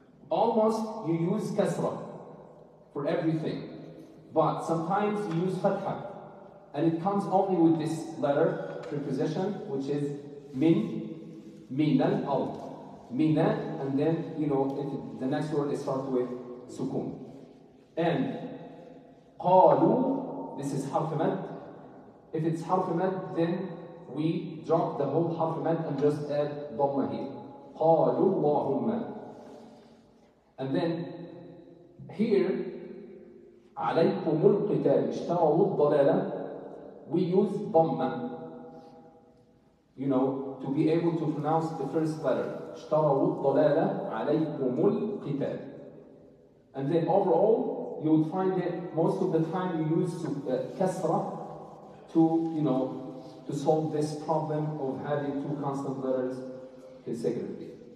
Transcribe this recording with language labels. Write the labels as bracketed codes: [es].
[en] Almost you use kasra for everything, but sometimes you use fatha, and it comes only with this letter preposition, which is min, min al al, mina, and then if the next word is start with sukun. And قالوا, this is half a mad. If it's half a mad, then we drop the whole half a mad and just add dhamma here. [ar] قالوا اللهم. [en] And then here [ar] عليكم القتال اشتروا الضلالة. [en] We use dhamma, to be able to pronounce the first letter. [ar] اشتروا الضلالة عليكم القتال. [en] And then overall, you would find that most of the time you use kasra to solve this problem of having two consonant letters consecutively.